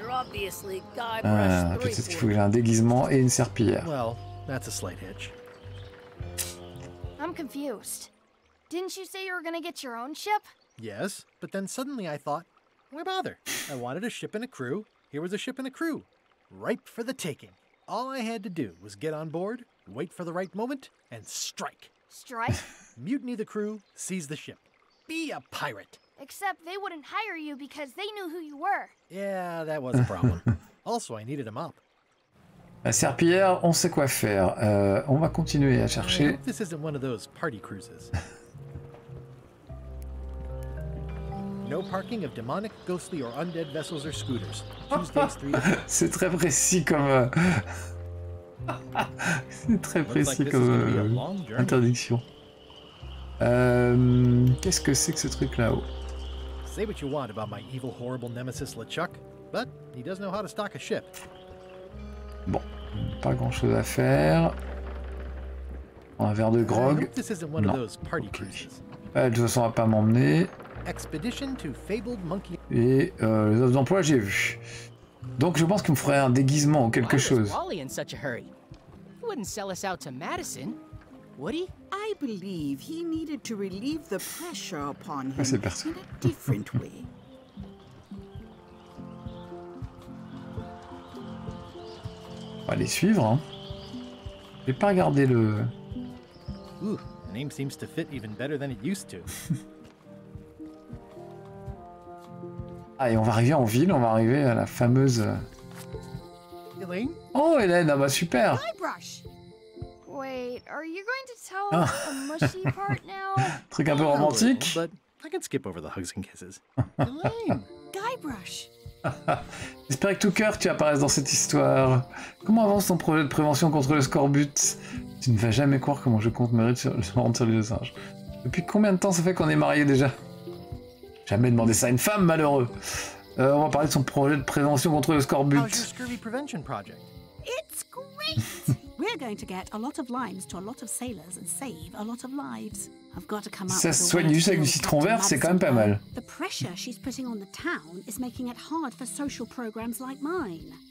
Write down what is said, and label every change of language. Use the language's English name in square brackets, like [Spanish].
[French] Peut-être qu'il faut que j'ai un déguisement et une serpillière. [English] Well, that's a slight hitch. I'm confused. Didn't you say you were gonna get your own ship? Yes, but then suddenly I thought, why bother? I wanted a ship and a crew. Here was a ship and a crew, ripe for the taking. All I had to do was get on board, wait for the right moment, and strike. Strike? Mutiny the crew, seize the ship. Be a pirate. Except they wouldn't hire you because they knew who you were. Yeah, that was a problem. Also, I needed a mop. [French] La serpillière, on sait quoi faire. On va continuer à chercher. [English] I hope this isn't one of those party cruises. No parking of demonic, ghostly or undead vessels or scooters. [French] C'est très précis comme c'est très précis comme interdiction. Qu'est-ce que c'est que ce truc là-haut? [English] Say what you want about my evil, horrible nemesis LeChuck, but he does know how to stock a ship. [French] Bon, pas grand-chose à faire. Un verre de grog. Non. Okay. Ouais, de toute façon, on va pas m'emmener. [English] Expedition to fabled monkey. [French] Et les offres d'emploi, j'ai vu. Donc, je pense qu'il me ferait un déguisement ou quelque chose. [English] Why is Wally in such a hurry? He wouldn't sell us out to Madison. Would he? I believe he needed to relieve the pressure upon him in a different way. [French] On va les suivre. Hein. J'ai pas regardé le. [English] Ooh, the name seems to fit even better than it used to. [French] Ah, et on va arriver en ville. On va arriver à la fameuse. Hélène. Oh, Hélène, ah bah super. [English] Wait, are you going to tell us the mushy part now? [French] Truc un peu romantique. [English] But I can skip over the hugs and kisses. Elaine, Guybrush. [French] J'espère que tout cœur tu apparaisses dans cette histoire. Comment avance ton projet de prévention contre le scorbut? Tu ne vas jamais croire comment je compte me rendre sur les singes. Depuis combien de temps ça fait qu'on est mariés déjà? Jamais demandé ça à une femme, malheureux. On va parler de son projet de prévention contre le scorbut. [English] How's your scurvy prevention project? It's great. We're going to get a lot of limes to a lot of sailors and save a lot of lives. I've got to come up. [French] Ça se soigne juste avec du citron vert, c'est quand même pas mal. [English] The pressure she's putting on the town is making it hard for social programs like mine.